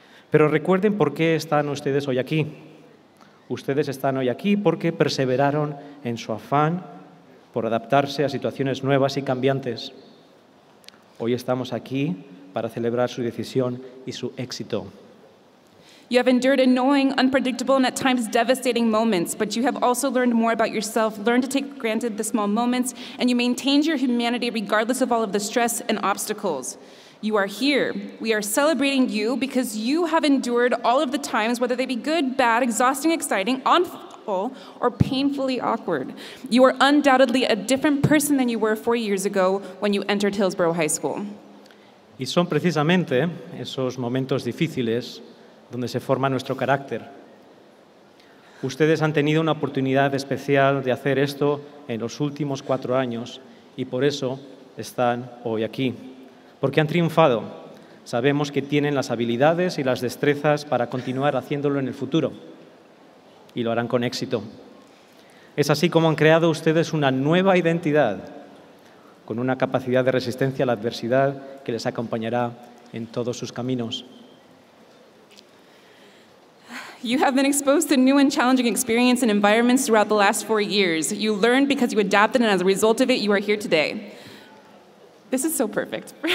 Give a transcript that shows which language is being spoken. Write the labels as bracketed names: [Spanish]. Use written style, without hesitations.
[Spanish] Pero recuerden por qué están ustedes hoy aquí. Ustedes están hoy aquí porque perseveraron en su afán por adaptarse a situaciones nuevas y cambiantes. Hoy estamos aquí para celebrar su decisión y su éxito. [English] You have endured annoying, unpredictable, and at times devastating moments, but you have also learned more about yourself, learned to take granted the small moments, and you maintained your humanity regardless of all of the stress and obstacles. You are here. We are celebrating you because you have endured all of the times, whether they be good, bad, exhausting, exciting, awful, or painfully awkward. You are undoubtedly a different person than you were 4 years ago when you entered Hillsboro High School. [Spanish] Y son precisamente esos momentos difíciles donde se forma nuestro carácter. Ustedes han tenido una oportunidad especial de hacer esto en los últimos 4 años y por eso están hoy aquí. Porque han triunfado. Sabemos que tienen las habilidades y las destrezas para continuar haciéndolo en el futuro. Y lo harán con éxito. Es así como han creado ustedes una nueva identidad con una capacidad de resistencia a la adversidad que les acompañará en todos sus caminos. [English] You have been exposed to new and challenging experiences and environments throughout the last 4 years. You learned because you adapted, and as a result of it, you are here today. This is so perfect.